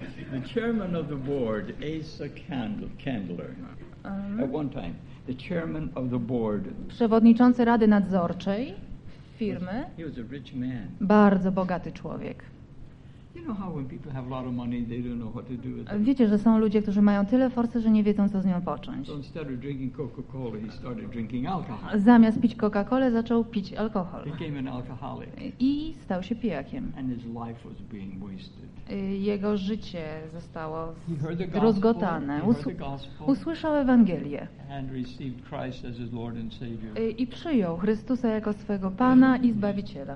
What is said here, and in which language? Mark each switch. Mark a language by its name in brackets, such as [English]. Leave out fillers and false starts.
[English] The chairman of the board, Asa Candler. At one time, the chairman of the board. [Polish] Przewodniczący rady nadzorczej firmy. [English] He was a rich man. [Polish] Bardzo bogaty człowiek. [English] You know how when people have a lot of money, they don't know what to do with it. [Polish] Wiecie, że są ludzie, którzy mają tyle forsy, że nie wiedzą, co z nią począć. [English] So instead of drinking Coca-Cola, he started drinking alcohol. [Polish] Zamiast pić Coca-Colę, zaczął pić alkohol. [English] Became an alcoholic. [Polish] I stał się pijakiem. [English] And his life was being wasted. [Polish] Jego życie zostało rozgotane. Usłyszał Ewangelię. [English] And received Christ as his Lord and Savior. [Polish] I przyjął Chrystusa jako swego Pana i Zbawiciela.